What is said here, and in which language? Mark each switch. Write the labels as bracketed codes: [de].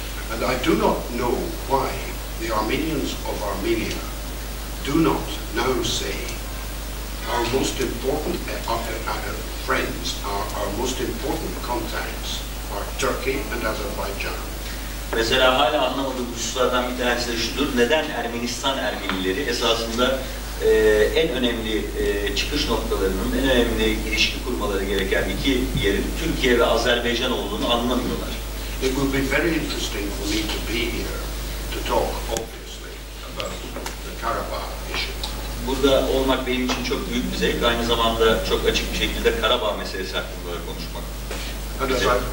[en] And I do not know why the Armenians of Armenia do not now say our most important friends, our most important contacts are Turkey and Azerbaijan. [tr] Mesela hala anlamadığım hususlardan bir tanesi de şudur, neden Ermenistan Ermenileri esasında en önemli çıkış noktalarının, en önemli ilişki kurmaları gereken iki yerin Türkiye ve Azerbaycan olduğunu anlamıyorlar. [en] It will be very interesting for me to be here to talk, obviously, about the Karabağ issue. [tr] Burada olmak benim için çok büyük bir zevk. Aynı zamanda çok açık bir şekilde Karabağ meselesi hakkında konuşmak.